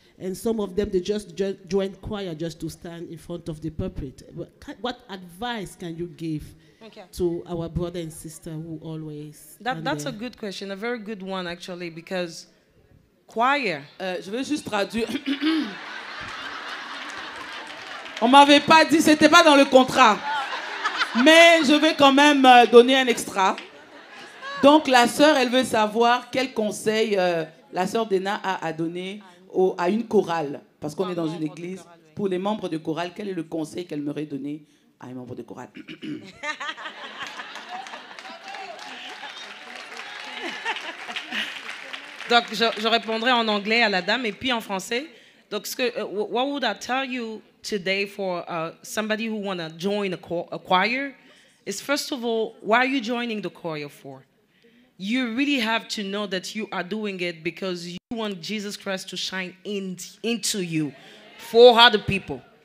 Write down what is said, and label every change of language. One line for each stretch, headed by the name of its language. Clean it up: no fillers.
English: And some of them, they just join choir just to stand in front of the pulpit. What advice can you give to our brother and sister who always... That's a good question, a very good one actually, because choir...
French: Je veux juste traduire. On m'avait pas dit, c'était pas dans le contrat. Mais je vais quand même donner un extra. Donc la sœur, elle veut savoir quel conseil la sœur Dena a donné à une chorale, parce qu'on est dans une église, chorale, oui. Pour les membres de chorale, quel est le conseil qu'elle m'aurait donné à un membre de chorale? Donc, je répondrai en anglais à la dame et puis en français. Donc,
English: what would I tell you today for somebody who want to join a choir? Is first of all, why are you joining the choir for? You really have to know that you are doing it because you want Jesus Christ to shine into you for other people.